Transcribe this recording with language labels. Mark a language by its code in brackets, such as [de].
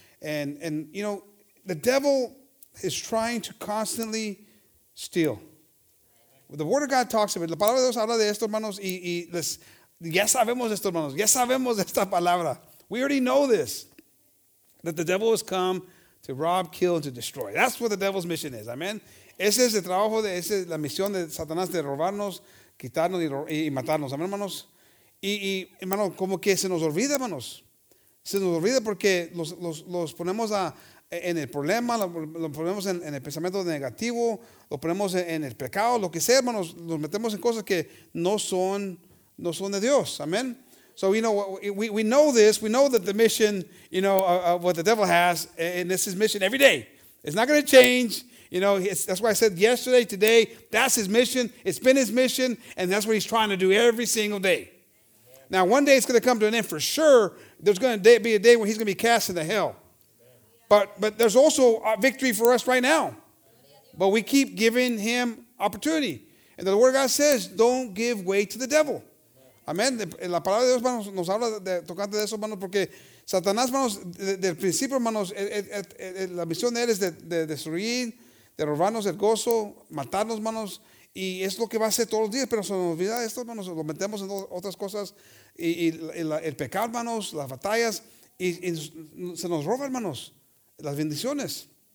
[en] And you know, the devil is trying to constantly steal. The word of God talks about it. [es] La palabra de Dios habla de esto, hermanos. Ya sabemos esto, hermanos. Ya sabemos esta palabra. [en] We already know this. That the devil has come to rob, kill, and to destroy. That's what the devil's mission is. Amen. [es] Ese es el trabajo, esa es la misión de Satanás, de robarnos, quitarnos y matarnos. Amen, hermanos. Y hermano, como que se nos olvida, hermanos. Se nos olvida porque los ponemos en el problema, los ponemos en el pensamiento negativo, lo ponemos en el pecado, lo que sea, hermanos, nos metemos en cosas que no son de Dios. [en] Amen. So, you know, we know this. We know that the mission, you know, what the devil has, and it's his mission every day. It's not going to change. You know, that's why I said yesterday, today, that's his mission. It's been his mission, and that's what he's trying to do every single day. Now, one day it's going to come to an end for sure. There's going to be a day when he's going to be cast into hell. But there's also a victory for us right now. But we keep giving him opportunity. And the word of God says, don't give way to the devil. Amen. [es] La palabra de Dios, hermanos, nos habla de tocante de eso, hermanos, porque Satanás, hermanos, del principio, hermanos, la misión de él es de destruir, de robarnos el gozo, matarnos, hermanos. Y es lo que va a hacer todos los días, pero se nos olvida esto, hermanos, lo metemos en otras cosas, el pecado, hermanos, las batallas, y se nos roba, hermanos, las bendiciones.